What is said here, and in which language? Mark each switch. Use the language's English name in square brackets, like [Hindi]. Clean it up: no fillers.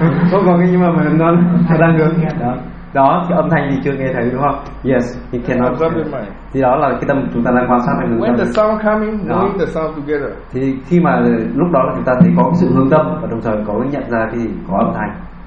[Vietnamese] Không có, nhưng mà mình đang ngược. Đó, cái âm thanh thì chưa nghe thấy đúng không? [English] Yes, you cannot. [Vietnamese] Thì đó là cái tâm chúng ta đang quan sát hay ngưng tâm. [English] When the sound coming, knowing the sound together. [Vietnamese] Thì khi mà lúc đó chúng ta thấy có sự hướng tâm và đồng thời có cái nhận ra thì có âm thanh.